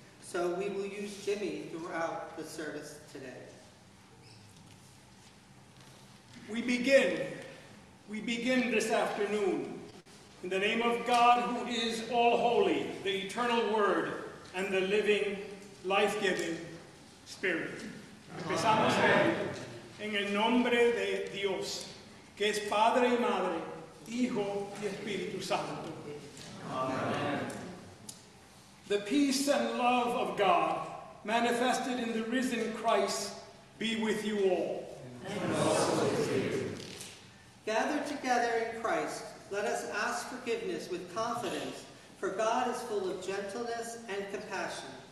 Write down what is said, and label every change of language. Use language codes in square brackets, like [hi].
[en] So we will use Jimmy throughout the service today. We begin this afternoon in the name of God who is all holy, the eternal word, and the living, life-giving spirit. [es] Empezamos hoy en el nombre de Dios, que es Padre y Madre, Hijo y Espíritu Santo. [en] Amen. The peace and love of God, manifested in the risen Christ, be with you all. And also with you. Gathered together in Christ, let us ask forgiveness with confidence, for God is full of gentleness and compassion.